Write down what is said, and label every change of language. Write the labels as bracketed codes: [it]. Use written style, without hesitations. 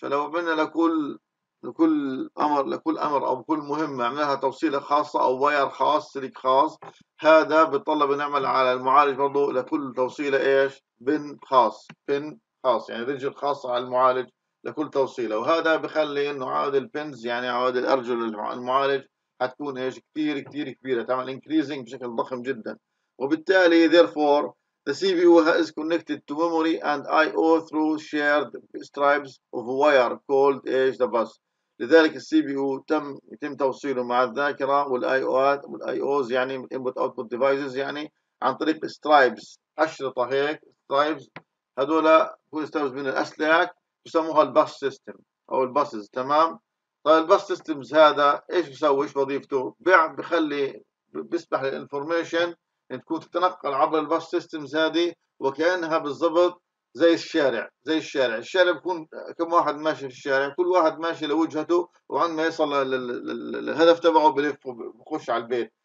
[ar] فلو عملنا لكل امر او كل مهمه عملناها توصيله خاصه او واير خاص سلك خاص، هذا بيتطلب نعمل على المعالج برضه لكل توصيله ايش بن خاص يعني رجل خاصه على المعالج لكل توصيله، وهذا بخلي انه عدد البنز يعني عدد الارجل المعالج حتكون ايش كثير كثير كبيره، تعمل انكريزنج بشكل ضخم جدا. وبالتالي [en] therefore the CPU is connected to memory and IO through shared stripes of wire called ايش the bus. [ar] لذلك السي بي او يتم توصيله مع الذاكره والاي اوات والاي اوز يعني انبوت اوتبوت ديفايسز، يعني عن طريق سترايبس اشرطه هيك سترايبس، هذول بكون سترايبس من الاسلاك بسموها الباس سيستم او الباسز. تمام، طيب الباس سيستمز هذا ايش بيسوي، ايش وظيفته؟ بخلي بيسمح للانفورميشن ان تكون تتنقل عبر الباس سيستمز هذه وكانها بالضبط زي الشارع بكون كم واحد ماشي في الشارع، كل واحد ماشي لوجهته، وعندما يصل للهدف تبعه بلف وبخش على البيت.